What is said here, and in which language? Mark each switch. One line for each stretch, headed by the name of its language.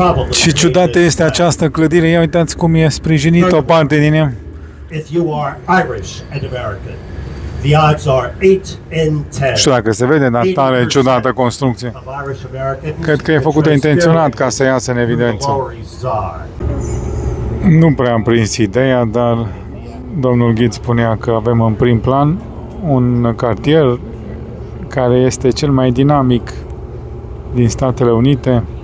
Romanian: Ce ciudată este această clădire, ia uitați cum e sprijinită o parte din ea.
English: If you are Irish and American, the odds are 8 in 10.
Romanian: Știu dacă se vede, dar tare ciudată construcție. Cred că e făcută intenționat ca să iasă în evidență. Nu prea am prins ideea, dar domnul ghid spunea că avem în prim plan un cartier care este cel mai dinamic din Statele Unite.